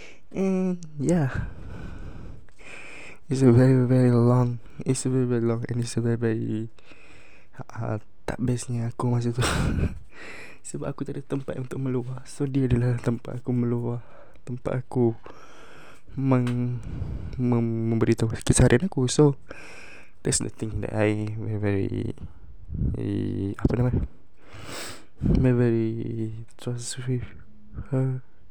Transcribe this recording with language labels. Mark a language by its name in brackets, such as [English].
[English] And yeah, it's a very very long, it's a very very long, and it's a very very [Malay] tak bestnya aku masa tu. Sebab aku tak ada tempat untuk meluah. So dia adalah tempat aku meluah, tempat aku memberitahu keseharian aku. [English] So that's the thing that I very very [Malay] apa nama, [English] very very trust with her.